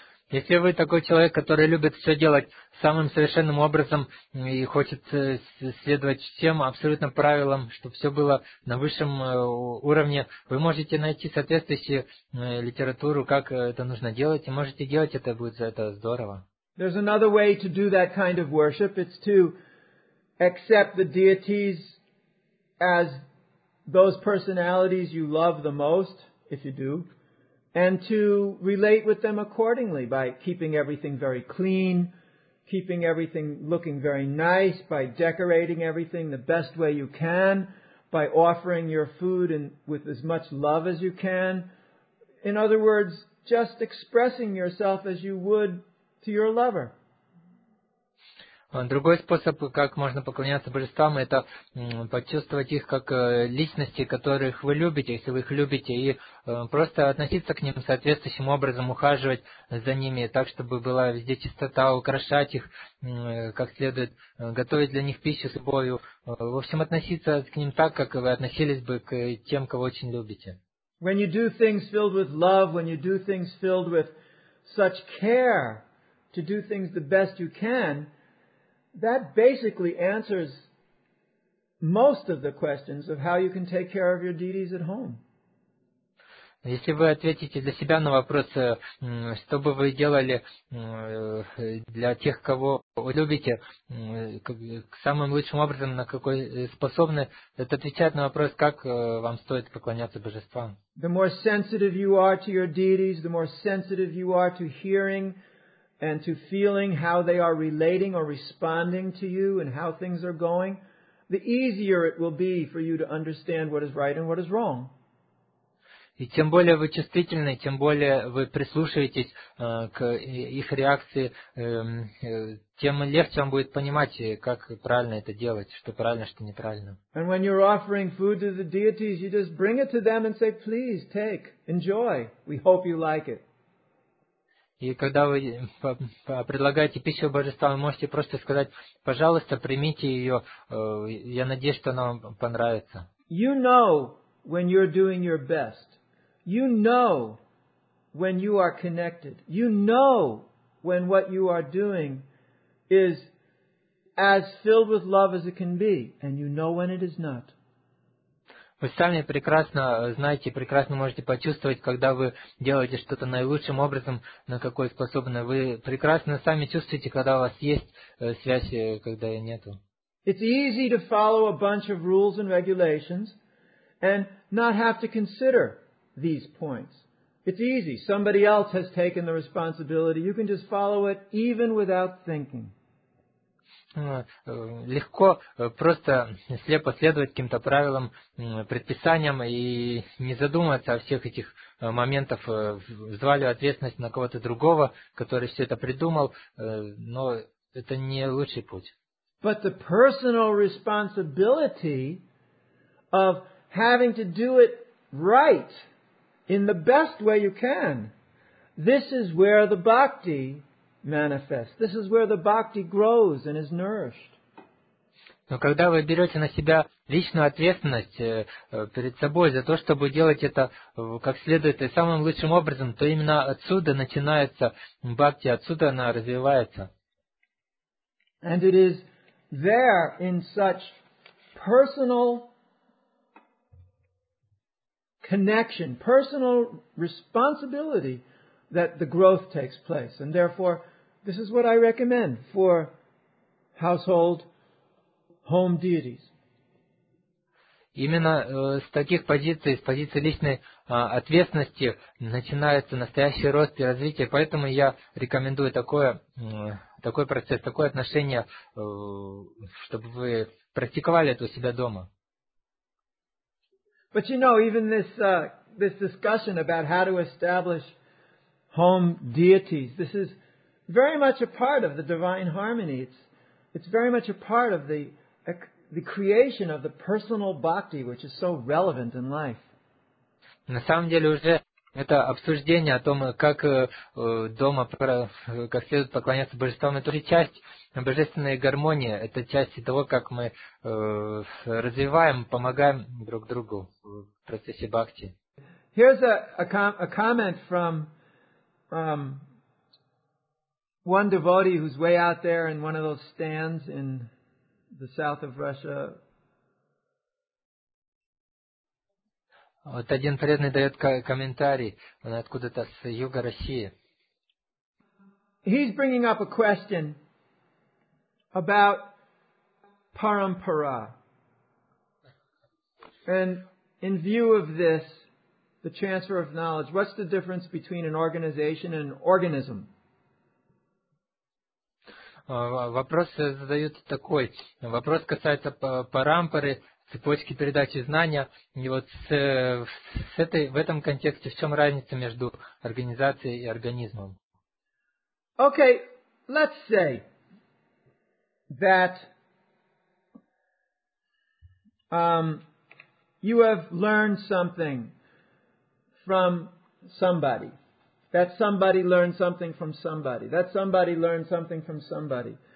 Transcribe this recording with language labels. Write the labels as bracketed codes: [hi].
[ru] Если вы такой человек, который любит все делать самым совершенным образом и хочет следовать всем абсолютно правилам, чтобы все было на высшем уровне, вы можете найти соответствующую литературу, как это нужно делать, и можете делать это, будет за это здорово. [en] There's another way to do that kind of worship. It's to accept the deities as those personalities you love the most, if you do, and to relate with them accordingly by keeping everything very clean, keeping everything looking very nice, by decorating everything the best way you can, by offering your food and with as much love as you can. In other words, just expressing yourself as you would to your lover. [ru] Другой способ, как можно поклоняться божествам, это почувствовать их как личности, которых вы любите, если вы их любите, и просто относиться к ним соответствующим образом, ухаживать за ними так, чтобы была везде чистота, украшать их как следует, готовить для них пищу с любовью. В общем, относиться к ним так, как вы относились бы к тем, кого очень любите. [en] When you do things filled with love, when you do things filled with such care to do things the best you can, that basically answers most of the questions of how you can take care of your deities at home. [ru] Если вы ответите для себя на вопрос, что бы вы делали для тех, кого вы любите, самым лучшим образом, на какой способны, это отвечает на вопрос, как вам стоит поклоняться божествам. [en] The more sensitive you are to your deities, the more sensitive you are to hearing and to feeling how they are relating or responding to you and how things are going, the easier it will be for you to understand what is right and what is wrong. [ru] И тем более вы чувствительны, тем более вы прислушиваетесь к их реакции, тем легче вам будет понимать, как правильно это делать, что правильно, что неправильно. [en] And when you're offering food to the deities, you just bring it to them and say, please, take, enjoy, we hope you like it. [ru] И когда вы предлагаете пищу божествам, вы можете просто сказать, пожалуйста, примите ее, я надеюсь, что она вам понравится. [en] You know when you're doing your best. You know when you are connected. You know when what you are doing is as filled with love as it can be, and you know when it is not. [ru] Вы сами прекрасно знаете, прекрасно можете почувствовать, когда вы делаете что-то наилучшим образом, на какой способны. Вы прекрасно сами чувствуете, когда у вас есть связь, когда ее нету. [en] It's easy to follow a bunch of rules and regulations and not have to consider these points. It's easy. Somebody else has taken the responsibility. You can just follow it even without thinking. [ru] Легко просто слепо следовать каким-то правилам, предписаниям и не задумываться о всех этих моментах, взваливая ответственность на кого-то другого, который все это придумал, но это не лучший путь. [en] But the personal responsibility of having to do it right in the best way you can. This is where the bhakti manifests. This is where the bhakti grows and is nourished. [ru] Но когда вы берете на себя личную ответственность перед собой за то, чтобы делать это как следует и самым лучшим образом, то именно отсюда начинается бхакти, отсюда она развивается. [en] And it is there in such personal connection, personal responsibility, that the growth takes place. And therefore, this is what I recommend for household home deities. [ru] Именно с таких позиций, с позиции личной ответственности, начинается настоящий рост и развитие. Поэтому я рекомендую такой процесс, такое отношение, чтобы вы практиковали это у себя дома. [en] But you know, even this this discussion about how to establish home deities, this is very much a part of the divine harmony. It's very much a part of the creation of the personal bhakti, which is so relevant in life. [ru] На самом деле уже это обсуждение о том, как дома как следует поклоняться божествам, это уже часть божественной гармонии, это часть того, как мы развиваем, помогаем друг другу в процессе бхакти. [en] Here's a comment from one devotee who's way out there in one of those stands in the south of Russia. [ru] Вот один преданный дает комментарий, он откуда-то с юга России. [en] He's bringing up a question about parampara. And in view of this, the transfer of knowledge, what's the difference between an organization and an organism? [ru] Вопрос задают такой. Вопрос касается парампары, цепочки передачи знания. И вот в этом контексте, в чем разница между организацией и организмом? [en] Okay, let's say that you have learned something from somebody. That somebody learned something from somebody. That somebody learned something from somebody.